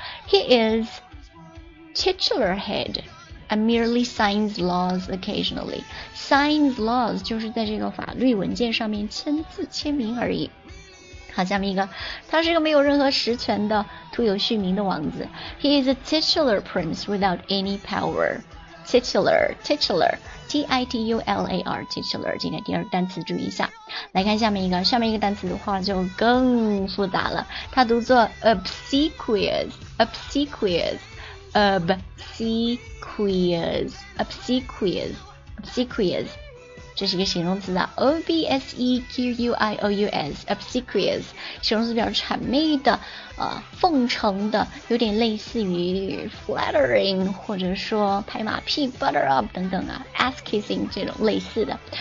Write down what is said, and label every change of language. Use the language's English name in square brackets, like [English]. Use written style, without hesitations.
[English] He is titular head and merely signs laws occasionallySigns laws [Chinese] 就是在这个法律文件上面签字签名而已。好，下面一个，他是一个没有任何实权的徒有虚名的王子。 [English] He is a titular prince without any power. [Chinese] Titular T-I-T-U-L-A-R titular， 今天第二单词注意一下。来看下面一个，下面一个单词的话就更复杂了，它读作 obsequious， 这是一个形容词啊， O-B-S-E-Q-U-I-O-U-S obsequious， 形容词表示谄媚的，奉承的，有点类似于 flattering 或者说拍马屁 butter up 等等啊， ass kissing 这种类似的。